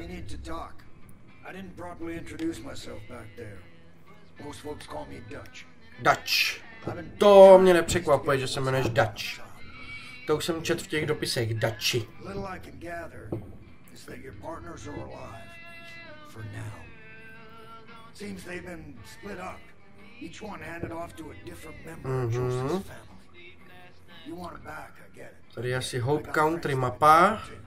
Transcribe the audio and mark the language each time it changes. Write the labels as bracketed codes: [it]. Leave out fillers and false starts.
[en] I didn't properly introduce myself back there. Most folks call me Dutch. Dutch. [cs] To mě nepřekvapuje, že se jmenuješ Dutch. To už jsem čet v těch dopisech, Dutchy. [en] Little I can gather is that your partners are alive. For now. Seems they've been split up. Each one handed off to a different member of Joseph's family. You want it back, I get it. [cs] Tady asi Hope Country mapa.